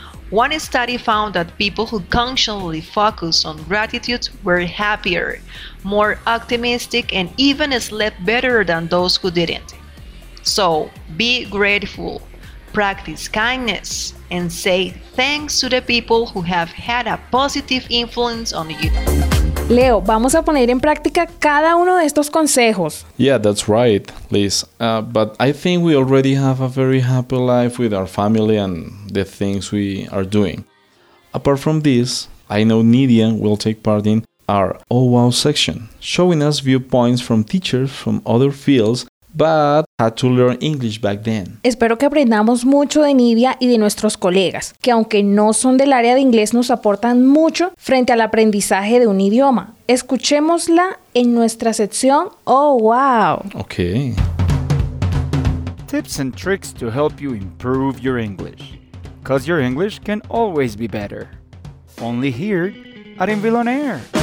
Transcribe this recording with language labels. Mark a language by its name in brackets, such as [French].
[English] One study found that people who constantly focus on gratitude were happier, more optimistic, and even slept better than those who didn't. So, be grateful, practice kindness, and say thanks to the people who have had a positive influence on you. [Spanish] Leo, vamos a poner en práctica cada uno de estos consejos. [English] Yeah, that's right, Liz. But I think we already have a very happy life with our family and the things we are doing. Apart from this, I know Nidia will take part in our Oh Wow section, showing us viewpoints from teachers from other fields but had to learn English back then. [Spanish] Espero que aprendamos mucho de Nidia y de nuestros colegas, que aunque no son del área de inglés, nos aportan mucho frente al aprendizaje de un idioma. Escuchémosla en nuestra sección Oh Wow. [English] Okay. Tips and tricks to help you improve your English. Because your English can always be better. Only here at Inville on Air.